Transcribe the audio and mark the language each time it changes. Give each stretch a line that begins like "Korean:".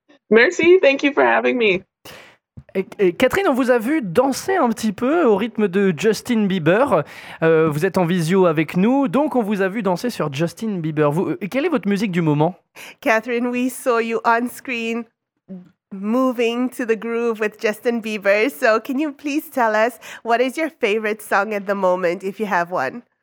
English: Merci, thank you for having me.
French: Et Catherine, on vous a vu danser un petit peu au rythme de Justin Bieber. Vous êtes en visio avec nous, donc on vous a vu danser sur Justin Bieber. Quelle est votre musique du moment?
English: Catherine, we saw you on screen moving to the groove with Justin Bieber. So can you please tell us what is your favorite song at the moment, if you have one?